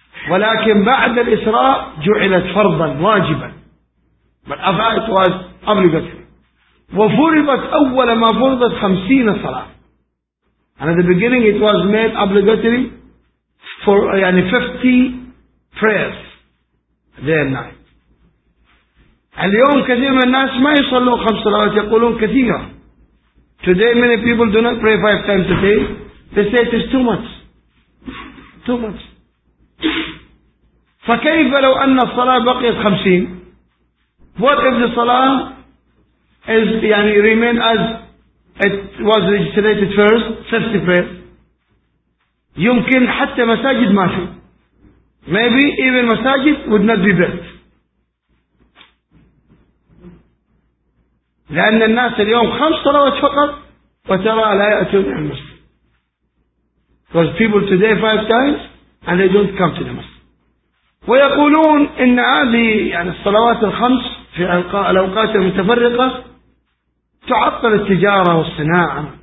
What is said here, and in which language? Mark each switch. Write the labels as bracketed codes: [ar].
[ar] ولكن بعد الإسراء جعلت فرضا واجبا. [en] But after it was obligatory. [ar] وفرضت أول ما فرضت 50 صلاة. [en] And at the beginning it was made obligatory for 50 prayers day and night. [ar] اليوم كثير من الناس ما يصلوا خمس صلوات يقولون كثيرة. [en] Today many people do not pray five times a day. They say it is too much. Too much. [ar] فكيف لو أن الصلاة بقيت خمسين؟ [en] What if the salah is يعني remain as it was legislated first, 50 prayers. [ar] يمكن حتى مساجد ما في. [en] Maybe even مساجد would not be built. [ar] لأن الناس اليوم خمس صلوات فقط وترى لا يأتون إلى المسجد. [en] Because people today five times and they don't come to the mosque. [ar] ويقولون إن هذه يعني الصلوات الخمس في الأوقات المتفرقة تعطل التجارة والصناعة.